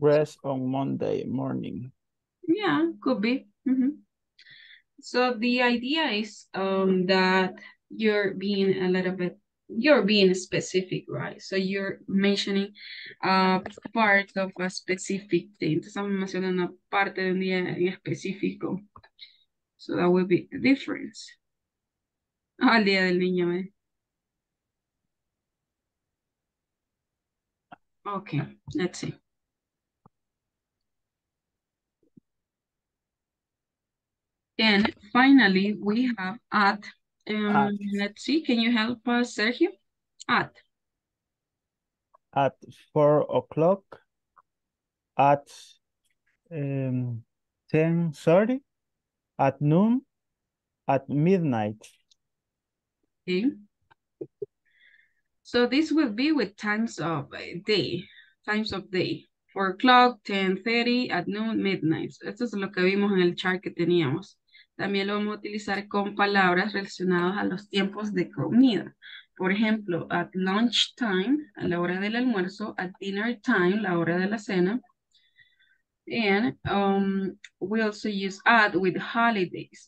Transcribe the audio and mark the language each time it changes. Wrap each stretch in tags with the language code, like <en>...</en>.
<en>Rest on Monday morning. Yeah, could be. Mm-hmm. So the idea is that you're being a little bit, you're being specific, right? So you're mentioning a part of a specific day.</en> <es>Entonces, mencionando parte de un día en específico.</es> <en>So that would be the difference.</en> <es>Al día del niño, eh.</es> <en>Okay, let's see. And finally, we have at. Let's see, can you help us, Sergio? At. At 4 o'clock. At 10:30. At noon. At midnight. Okay. So this will be with times of day, times of day. 4 o'clock, 10:30, at noon, midnight.</en> <es>Esto es lo que vimos en el chart que teníamos. También lo vamos a utilizar con palabras relacionadas a los tiempos de comida. Por ejemplo,</es> <en>at lunch time,</en> <es>a la hora del almuerzo,</es> <en>at dinner time,</en> <es>la hora de la cena.</es> <en>And we also use at with holidays.</en>